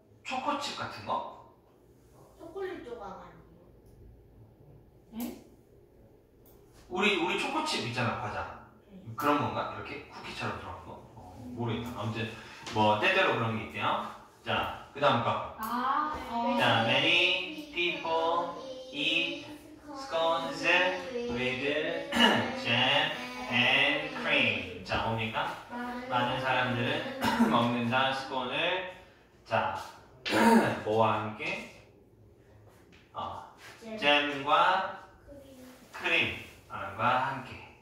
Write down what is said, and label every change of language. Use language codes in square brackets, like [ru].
[ko] 초코칩 같은 거? 초콜릿 조각 아니에요? 응? 우리 초코칩 있잖아, 과자. 응. 그런 건가? 이렇게 쿠키처럼 들어간 거? 모르겠다. 아무튼, 뭐, 때때로 그런 게 있대요. 자, 그 다음 거. 아, [en] many people eat scones with chocolate, jam and cream. [ko] 자, 뭡니까? 많은 사람들은 먹는다, 스콘을. 자, 뭐와 함께? 잼과 크림과 함께.